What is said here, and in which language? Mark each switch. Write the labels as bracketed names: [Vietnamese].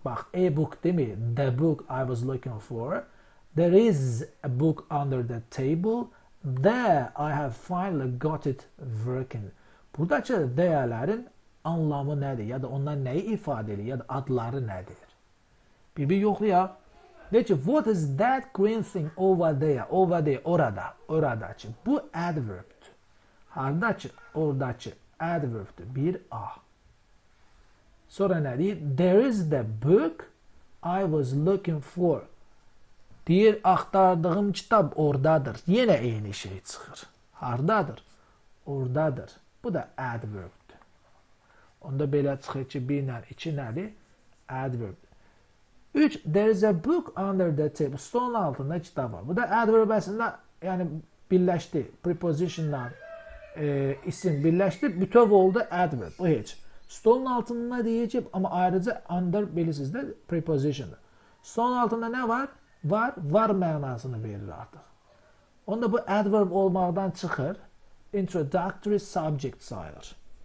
[English] Bax, a book demir. The book I was looking for. There is a book under the table. There I have finally got it working. [Azerbaijani] Buradakı değerlerin anlamı nədir? Ya da onlar nəyi ifadə edir? Ya da adları nədir? Bir-bir yoxluya. Deyir ki, [English] what is that green thing over there? [Azerbaijani] Over there, orada. Oradakı. Bu adverbdür. Haradakı? Oradakı adverbdür. Bir A. Sonra nə deyir? [English] There is the book I was looking for. [Azerbaijani] Deyir, axtardığım kitab oradadır. Yenə eyni şey çıxır. Haradadır? Oradadır. Bu da adverbdür. Onda belə çıxır ki, bir nədir? İki nədir? Adverb. Üç, [English] there is a book under the table. [Azerbaijani] Stone altında kitab var. Bu da adverb əslində, yəni birləşdi. Prepositionla isim birləşdi. Bütöv oldu adverb. Bu heç. Stolun altında deyəcəm, amma ayrıca under bilirsiniz də prepositiondur. Stolun altında nə var? Var, var mənasını verir artıq. Onda bu adverb olmaqdan çıxır, introductory subject sayılır.